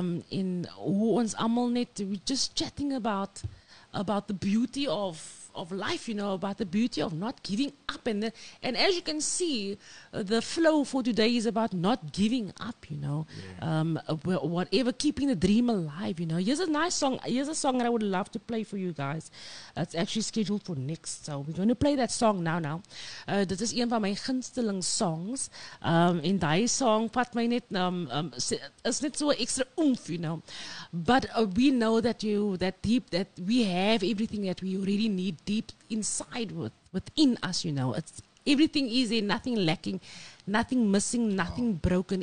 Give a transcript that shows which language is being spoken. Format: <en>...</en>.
<af>In ons allemaal net,</af> <en>we're just chatting about the beauty of life, you know, about the beauty of not giving up. And as you can see, the flow for today is about not giving up, you know. Yeah. Whatever, keeping the dream alive, you know. Here's a song that I would love to play for you guys. It's actually scheduled for next. So we're going to play that song now. This is</en> <af>een van my gunsteling songs. In die song, vat my net, is net so extra oomph,</af> <en>you know. But we know that we have everything that we really need deep inside within us, you know. It's everything is there, nothing lacking, nothing missing, nothing broken.</en>